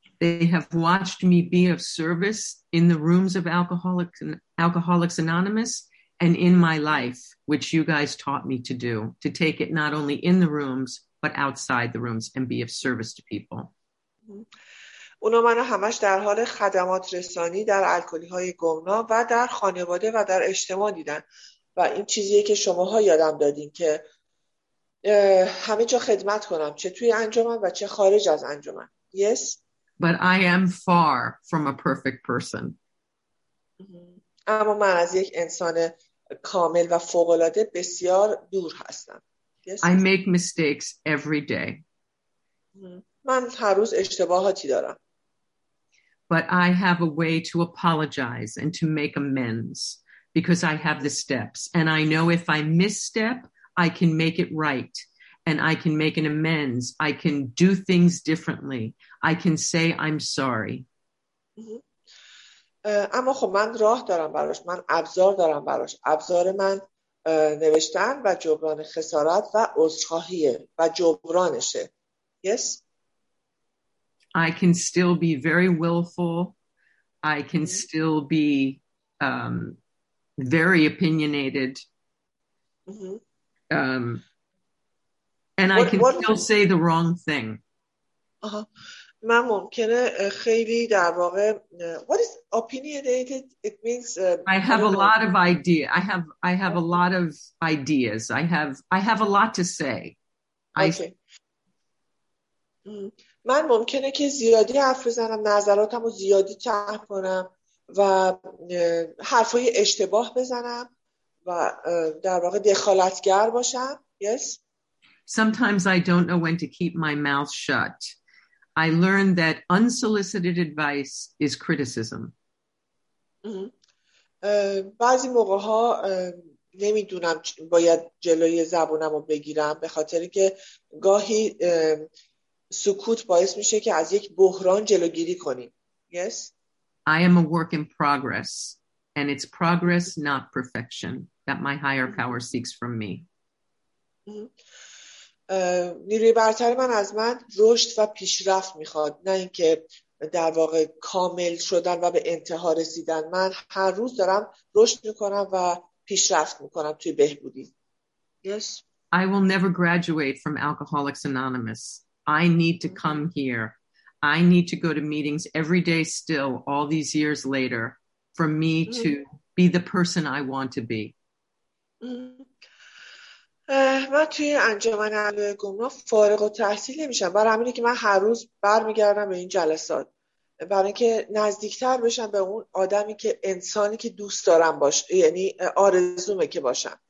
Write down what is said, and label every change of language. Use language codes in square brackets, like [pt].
[en] They have watched me be of service in the rooms of Alcoholics Anonymous and in my life, which you guys taught me to do, to take it not only in the rooms, but outside the rooms and be of service to people. [fa] اونا منو همش در حال خدمات رسانی در الکلی های گمنام و در خانواده و در اجتماع دیدن و این چیزیه که شماها یادم دادین که همه جا خدمت کنم، چه توی انجمن و چه خارج از انجمن. Yes. [en] But I am far from a perfect person. [fa] اما من از یک انسان کامل و فوق‌العاده بسیار دور هستم. [en] I make mistakes every day. [fa] من هر روز اشتباهاتی دارم. [en] But I have a way to apologize and to make amends because I have the steps. And I know if I misstep, I can make it right. And I can make an amends. I can do things differently. I can say I'm sorry. [fa] اما خب من راه دارم براش. من ابزار دارم براش. ابزار من نوشتن و جبران خسارت و عذرخواهیه و جبرانشه. [en] Yes. I can still be very willful. I can still be very opinionated. And I can still say the wrong thing. [fa] من ممکنه خیلی در واقع [en] what is opinionated? It means I have a lot of idea. I have a lot of ideas. I have a lot to say. [fa] من ممکنه که زیادی حرف بزنم، نظراتمو زیادی طرح کنم و و حرفای اشتباه بزنم و در واقع دخالتگر باشم. [en] Yes. Sometimes I don't know when to keep my mouth shut. I learned that unsolicited advice is criticism. [fa] بعضی موقع ها نمیدونم باید جلوی زبونم رو بگیرم به خاطر که گاهی سکوت باعث میشه که از یک بحران جلوگیری کنیم. [en] Yes. I am a work in progress and it's progress not perfection that my higher power seeks from me. [fa] نیروی برتر من از من رشد و پیشرفت میخواد، نه اینکه در واقع کامل شدن و به انتها رسیدن. من هر روز دارم رشد میکنم و پیشرفت میکنم توی بهبودی. [en] Yes. I will never graduate from Alcoholics Anonymous. I need to come here. I need to go to meetings every day still all these years later for me to be the person I want to be. [fa] من توی انجمن گمنام فارغ التحصیل نمیشم، برای همینه که من هر روز برمیگردم به این جلسات برای اینکه نزدیکتر بشم به اون آدمی که انسانی که دوست دارم باشه، یعنی آرزومه که باشم.